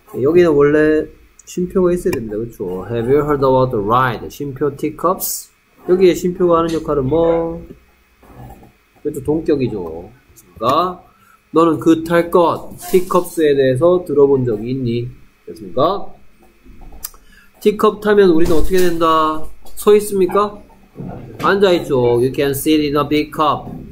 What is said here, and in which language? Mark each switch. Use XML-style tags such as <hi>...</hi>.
<ko>여기는 원래 쉼표가 있어야 됩니다. 그렇죠?</ko> <en>Have you heard about the ride 쉼표 teacups?</en> <ko>여기에 쉼표가 하는 역할은 뭐? 그렇죠, 동격이죠. 됐습니까? 너는 그 탈 것, 티컵스에 대해서 들어본 적이 있니? 됐습니까? 티컵 타면 우리는 어떻게 된다? 서 있습니까? 앉아있죠. You can sit in a big cup.</ko>